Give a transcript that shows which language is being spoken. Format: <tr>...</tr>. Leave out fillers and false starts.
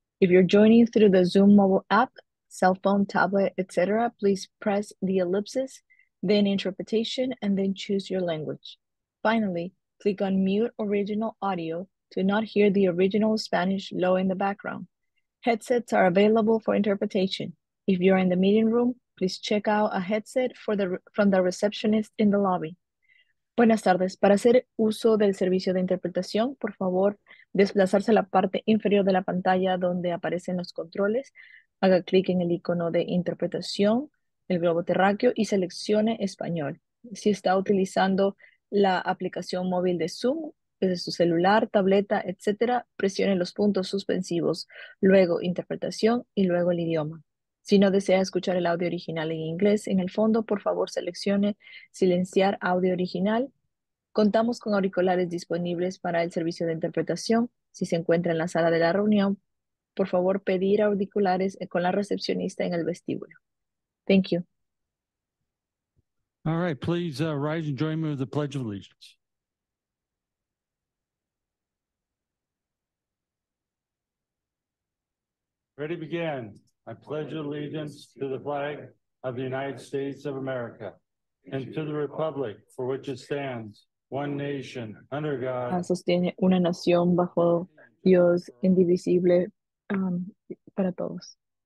<en>If you're joining through the Zoom mobile app, cell phone, tablet, etc., please press the ellipsis, then interpretation, and then choose your language. Finally, click on mute original audio to not hear the original Spanish low in the background. Headsets are available for interpretation. If you're in the meeting room, please check out a headset from the receptionist in the lobby.</en> <es>Buenas tardes. Para hacer uso del servicio de interpretación, por favor, desplazarse a la parte inferior de la pantalla donde aparecen los controles. Haga clic en el icono de interpretación, el globo terráqueo, y seleccione español. Si está utilizando la aplicación móvil de Zoom, desde su celular, tableta, etc., presione los puntos suspensivos, luego interpretación y luego el idioma. Si no desea escuchar el audio original en inglés, en el fondo, por favor, seleccione silenciar audio original. Contamos con auriculares disponibles para el servicio de interpretación. Si se encuentra en la sala de la reunión, por favor, pedir auriculares con la recepcionista en el vestíbulo.</es> <en>Thank you. All right, please rise and join me with the Pledge of Allegiance. Ready to begin. I pledge allegiance to the flag of the United States of America and to the republic for which it stands, one nation, under God.</en> <es>Sostiene una nación bajo Dios indivisible para todos.</es>